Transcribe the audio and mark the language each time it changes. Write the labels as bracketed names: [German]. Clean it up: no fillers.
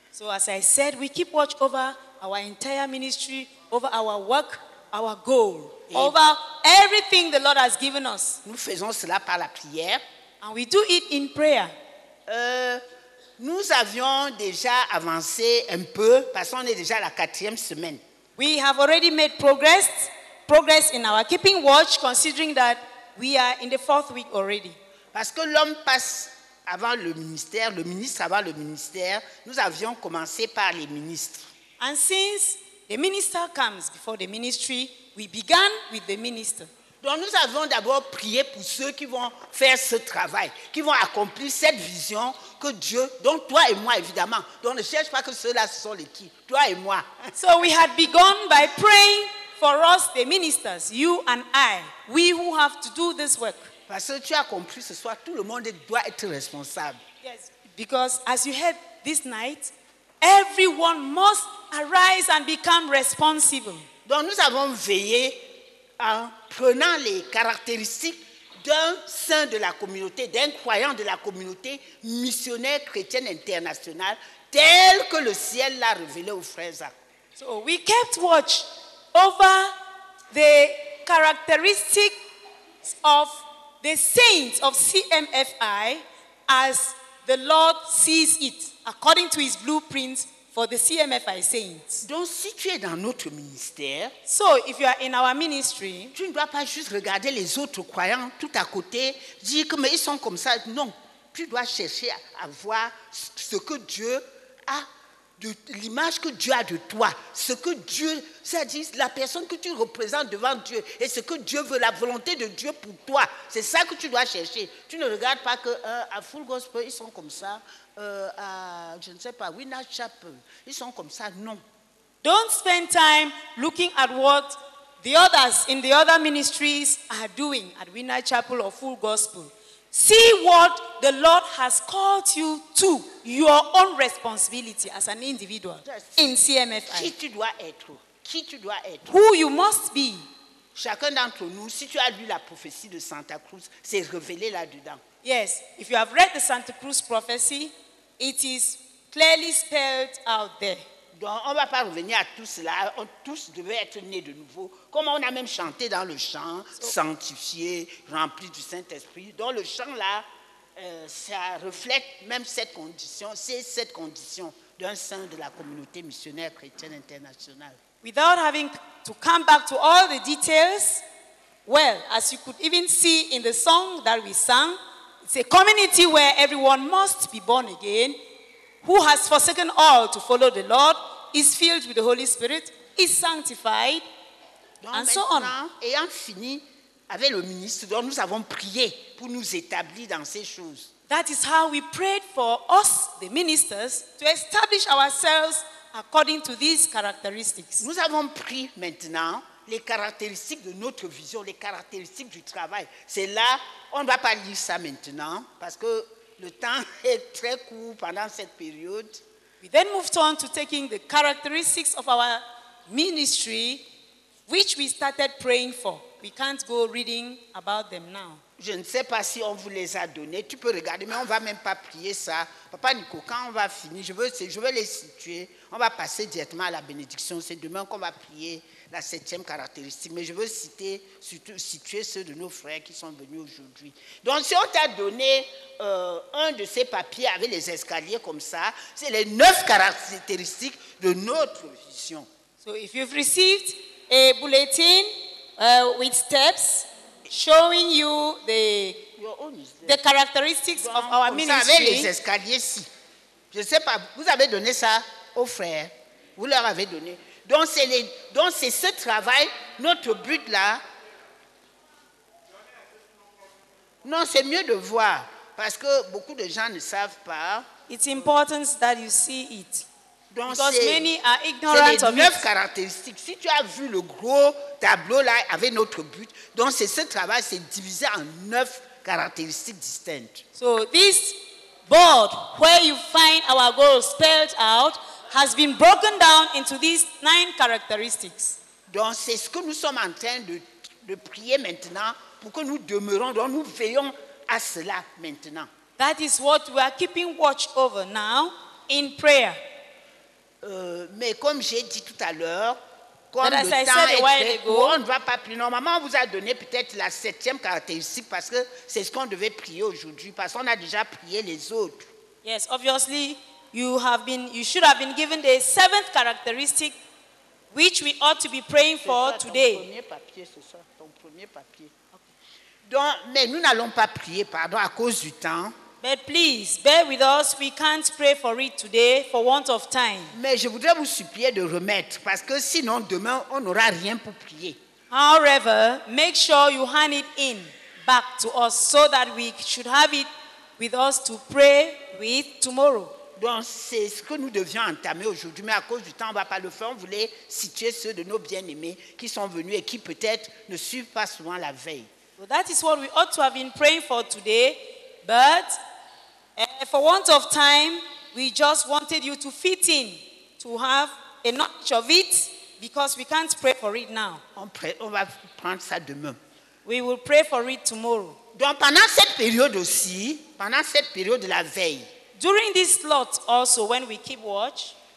[English] So, as I said, we keep watch over our entire ministry, over our work, our goal, over everything the Lord has given us. [French] Nous faisons cela par la prière. [English] And we do it in prayer. [French] Nous avions déjà avancé un peu, parce qu'on est déjà à la quatrième semaine. [English] We have already made progress in our keeping watch, considering that we are in the fourth week already. [French] Parce que l'homme passe avant le ministère, le ministre avant le ministère, nous avions commencé par les ministres. [English] And since the minister comes before the ministry, we began with the minister. [French] Donc nous avons d'abord prié pour ceux qui vont faire ce travail, qui vont accomplir cette vision que Dieu, donc toi et moi évidemment, donc ne cherche pas que ceux-là sont les qui, toi et moi. [English] So we had begun by praying for us, the ministers, you and I, we who have to do this work. [French] Parce que tu as compris ce soir, tout le monde doit être responsable. [English] Yes, because as you heard this night, everyone must arise and become responsible. [French] Donc nous avons veillé en prenant les caractéristiques d'un saint de la communauté, d'un croyant de la communauté missionnaire chrétienne internationale, tel que le ciel l'a révélé aux frères. [English] So we kept watch over the characteristics of the saints of CMFI as the Lord sees it, according to his blueprints for the CMFI saints. [French] Donc, si tu es dans notre ministère, [English] so, if you are in our ministry, [French] tu ne dois pas juste regarder les autres croyants tout à côté, dire que mais ils sont comme ça. Non, tu dois chercher à voir ce que Dieu a, de l'image que Dieu a de toi, ce que Dieu, c'est-à-dire la personne que tu représentes devant Dieu et ce que Dieu veut, la volonté de Dieu pour toi. C'est ça que tu dois chercher. Tu ne regardes pas que à Full Gospel, ils sont comme ça. Je ne sais pas, Winner Chapel, ils sont comme ça, non. [English] Don't spend time looking at what the others in the other ministries are doing at Winner Chapel or Full Gospel. See what the Lord has called you to, your own responsibility as an individual in CMFI. [French] Qui tu dois être? Qui tu dois être? [English] Who you must be? [French] Chacun d'entre nous, si tu as lu la prophétie de Santa Cruz, c'est révélé là-dedans. [English] Yes, if you have read the Santa Cruz prophecy, it is clearly spelled out there. [French] Donc, on ne va pas revenir à tout cela. On tous devait être nés de nouveau. Comme on a même chanté dans le chant, sanctifié, rempli du Saint-Esprit. Donc, le chant là, ça reflète même cette condition. C'est cette condition d'un saint de la communauté missionnaire chrétienne internationale. [English] Without having to come back to all the details, well, as you could even see in the song that we sang, it's a community where everyone must be born again. Who has forsaken all to follow the Lord, is filled with the Holy Spirit, is sanctified, [French] donc [English] and so on. [French] Ayant fini avec le ministre, donc nous avons prié pour nous établir dans ces choses. [English] That is how we prayed for us, the ministers, to establish ourselves according to these characteristics. [French] Nous avons pris maintenant les caractéristiques de notre vision, les caractéristiques du travail. C'est là, on ne va pas lire ça maintenant, parce que le temps est très court pendant cette période. [English] We then moved on to taking the characteristics of our ministry, which we started praying for. We can't go reading about them now. [French] Je ne sais pas si on vous les a donnés. Tu peux regarder, mais on ne va même pas prier ça. Papa Nico, quand on va finir, je veux les situer. On va passer directement à la bénédiction. C'est demain qu'on va prier la septième caractéristique. Mais je veux citer, surtout, situer ceux de nos frères qui sont venus aujourd'hui. Donc, si on t'a donné un de ces papiers avec les escaliers comme ça, c'est les neuf caractéristiques de notre vision. [English] So, if you've received a bulletin with steps, showing you the characteristics of our ministry. [French] Vous avez les escaliers-ci. Je ne sais pas, vous avez donné ça aux frères. Vous leur avez donné. Donc c'est ce travail, notre but là. Non, c'est mieux de voir. Parce que beaucoup de gens ne savent pas. [English] It's important that you see it. Because many are ignorant of it. [French] C'est les neuf caractéristiques. Si tu as vu le gros tableau là avec notre but, donc c'est ce travail, c'est divisé en neuf caractéristiques distinctes. [English] So this board where you find our goals spelled out has been broken down into these nine characteristics. [French] Donc c'est ce que nous sommes en train de prier maintenant pour que nous demeurons, donc nous veillons à cela maintenant. [English] That is what we are keeping watch over now in prayer. [French] Mais comme j'ai dit tout à l'heure, comme le temps est très court, on ne va pas prier. Normalement, on vous a donné peut-être la septième caractéristique parce que c'est ce qu'on devait prier aujourd'hui, parce qu'on a déjà prié les autres. [English] Yes, obviously, you should have been given the seventh characteristic which we ought to be praying for today. [French] C'est ton premier papier, ce soir, ton premier papier. Donc, mais nous n'allons pas prier, pardon, à cause du temps. [English] But please, bear with us. We can't pray for it today for want of time. [French] Mais je voudrais vous supplier de remettre, parce que sinon demain on n'aura rien pour prier. [English] However, make sure you hand it in back to us so that we should have it with us to pray with tomorrow. [French] Donc c'est ce que nous devions entamer aujourd'hui, mais à cause du temps on ne va pas le faire. On voulait situer ceux de nos bien-aimés qui sont venus et qui peut-être ne suivent pas souvent la veille. [English] So that is what we ought to have been praying for today. But for want of time, we just wanted you to fit in, to have a knowledge of it, because we can't pray for it now. [French] On va prendre ça demain. [English] We will pray for it tomorrow. [French] Donc pendant cette période aussi, pendant cette période de la veille, [English] during this slot also, when we keep watch,